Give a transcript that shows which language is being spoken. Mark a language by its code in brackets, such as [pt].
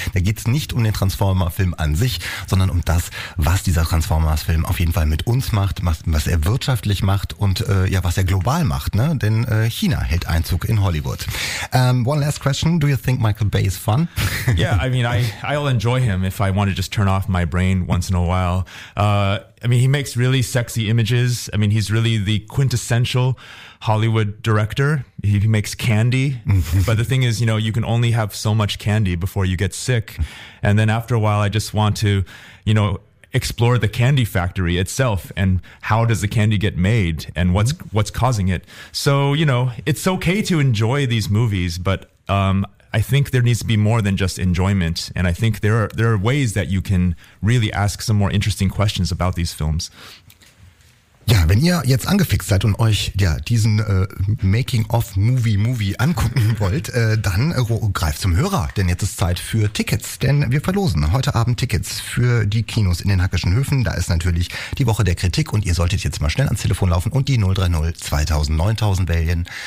[de] Da geht es nicht um den Transformer-Film an sich, sondern um das, was dieser Transformers-Film auf jeden Fall mit uns macht, was er wirtschaftlich macht und ja, was er global macht, ne? Denn China hält Einzug in Hollywood. [en] One last question, do you think Michael Bay is fun? Yeah, I mean, I'll enjoy him if I want to just turn off my brain once in a while. I mean, he makes really sexy images. I mean, he's really the quintessential Hollywood director. He makes candy. But the thing is, you know, you can only have so much candy before you get sick. And then after a while, I just want to, you know, explore the candy factory itself and how does the candy get made and what's causing it. So, you know, it's okay to enjoy these movies, but I think there needs to be more than just enjoyment, and I think there are ways that you can really ask some more interesting questions about these films. [de] Ja, wenn ihr jetzt angefixt seid und euch ja diesen Making-of-Movie-Movie angucken wollt, dann greift zum Hörer, denn jetzt ist Zeit für Tickets, denn wir verlosen heute Abend Tickets für die Kinos in den Hackischen Höfen. Da ist natürlich die Woche der Kritik und ihr solltet jetzt mal schnell ans Telefon laufen und die 030 2000 9000 wählen.